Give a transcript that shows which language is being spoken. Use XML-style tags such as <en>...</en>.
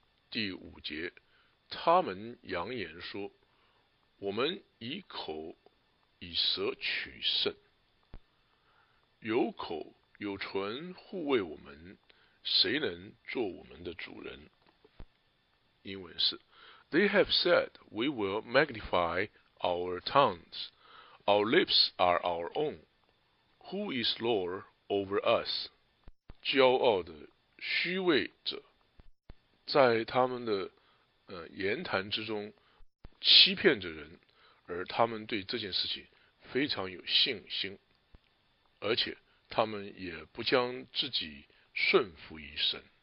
<zh>第五节，他们扬言说，我们以口以舌取胜，有口有唇护卫我们，谁能做我们的主人？英文是</zh> <en>They have said we will magnify our tongues, our lips are our own, who is Lord over us?</en> <zh>骄傲的虚伪者在他们的、言谈之中欺骗着人，而他们对这件事情非常有信心，而且他们也不将自己顺服于神。</zh>